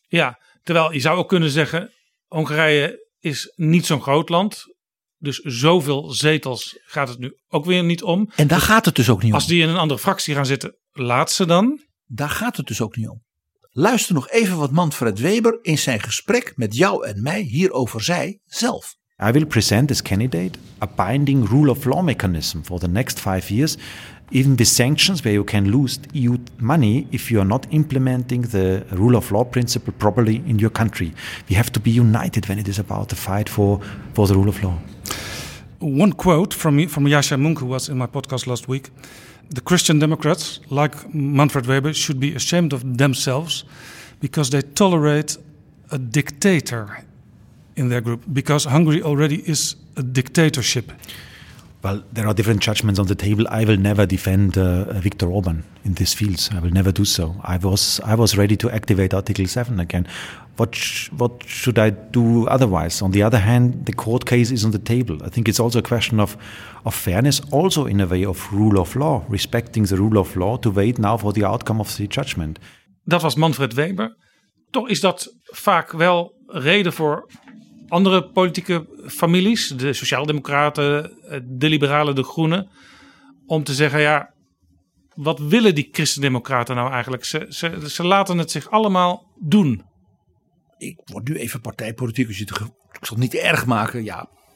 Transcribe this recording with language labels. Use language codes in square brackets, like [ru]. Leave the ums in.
[nl] Ja, terwijl je zou ook kunnen zeggen: Hongarije is niet zo'n groot land. Dus zoveel zetels gaat het nu ook weer niet om. En daar dus gaat het dus ook niet als om. Als die in een andere fractie gaan zitten, laat ze dan. Daar gaat het dus ook niet om. Luister nog even wat Manfred Weber in zijn gesprek met jou en mij hierover zei zelf. [en] I will present as candidate a binding rule of law mechanism for the next five years, even with sanctions where you can lose EU money if you are not implementing the rule of law principle properly in your country. We have to be united when it is about the fight for, for the rule of law. One quote from from Yasha Munk, who was in my podcast last week. the Christian Democrats, like Manfred Weber, should be ashamed of themselves because they tolerate a dictator in their group, because Hungary already is a dictatorship. Well, there are different judgments on the table. I will never defend uh, Viktor Orban in these fields. So I will never do so. I was, I was ready to activate Article 7 again. [nl] wat moet ik [en] should I do otherwise? On the other hand, the court case is on the table. I think it's also a question of of fairness, also in a way of rule of law, respecting the rule of law to wait now for the outcome of the judgment. [nl] Dat was Manfred Weber. Toch is dat vaak wel reden voor andere politieke families, de Sociaaldemocraten, de Liberalen, de Groenen, om te zeggen: ja, wat willen die Christendemocraten nou eigenlijk? ze, ze, ze laten het zich allemaal doen ik word nu even partijpolitiek, dus ik zal het niet erg maken, ja.